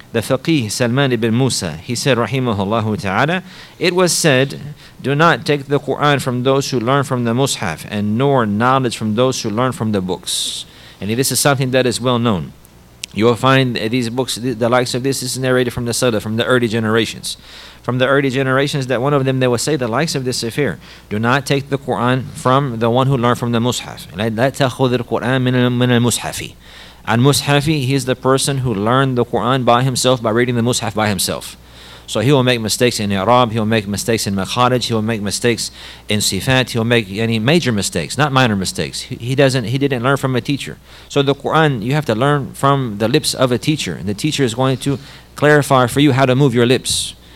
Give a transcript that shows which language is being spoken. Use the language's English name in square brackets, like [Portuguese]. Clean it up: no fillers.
[English] The faqih Salman ibn Musa, he said, rahimahullahu ta'ala, it was said, do not take the Quran from those who learn from the mushaf, and nor knowledge from those who learn from the books. And this is something that is well known. You will find these books, the likes of this is narrated from the Salaf, from the early generations. That one of them, they will say the likes of this affair. Do not take the Quran from the one who learned from the Mushaf. [Arabic] لا تأخذ القرآن من المصحفي. [English] And Mushafi, he is the person who learned the Quran by himself, by reading the Mushaf by himself. So he will make mistakes in I'rab, he will make mistakes in makharij, he will make mistakes in sifat, he will make any major mistakes, not minor mistakes. He didn't learn from a teacher. So the Quran, you have to learn from the lips of a teacher, and the teacher is going to clarify for you how to move your lips.